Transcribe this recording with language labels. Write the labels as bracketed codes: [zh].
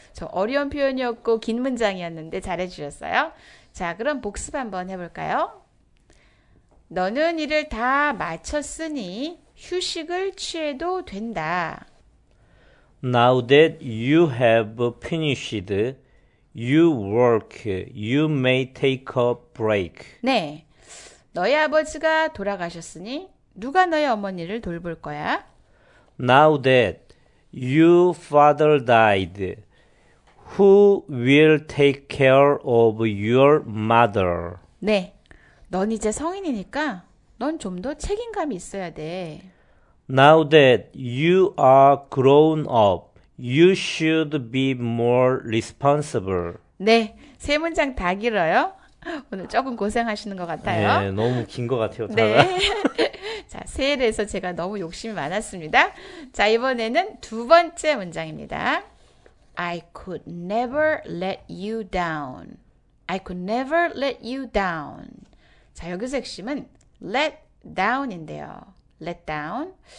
[ko] 저 어려운 표현이었고 긴 문장이었는데 잘해주셨어요. 자, 그럼 복습 한번 해볼까요? 너는 일을 다 마쳤으니 휴식을 취해도 된다. [en] Now that you have finished your work, you may take a break. [ko] 네, 너의 아버지가 돌아가셨으니 누가 너의 어머니를 돌볼 거야? [en] Now that your father died, who will take care of your mother? [ko] 네, 넌 이제 성인이니까 넌좀더 책임감이 있어야 돼. [en] Now that you are grown up, you should be more responsible. [ko] 네, 세 문장 다 길어요. 오늘 조금 고생하시는 것 같아요. 예, 너무 긴것 같아요, 다가. 네. 자, 세일에서 제가 너무 욕심이 많았습니다. 자, 이번에는 두 번째 문장입니다. [en] I could never let you down. I could never let you down. [ko] 자, 여기서 핵심은 [en] let down인데요. Let down.